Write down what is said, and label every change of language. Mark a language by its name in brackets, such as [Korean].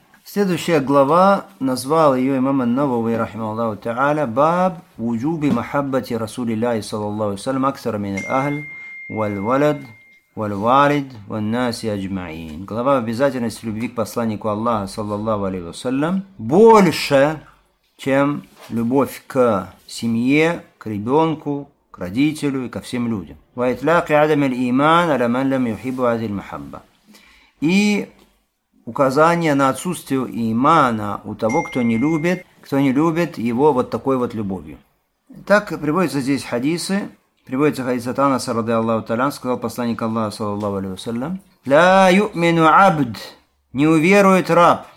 [Russian] Следующая глава, назвал ее имам ан-Навави рахимаху тааля, [Arabic] баб вуджуби махаббати расулиллахи саллаллаху алейхи ва саллям аксара мин аль-ахль валь-валад والوالد والناس أجمعين. [Russian] Глава обязательности любви к посланнику Аллаха саллаллаху алейхи ва саллям больше, чем любовь к семье, к ребенку, к родителю и ко всем людям. [Arabic] وإطلاق عدم الإيمان على من لم يحب هذه المحبة. [Russian] И указание на отсутствие имана у того, кто не любит его вот такой вот любовью. Так приводятся здесь хадисы. Приводится хадис от Анаса ради Аллаху Таля, сказал посланник Аллаха, саллаллаху алейхи ва саллям. [Arabic] «Ла юмину абд» [Russian] – «не уверует раб».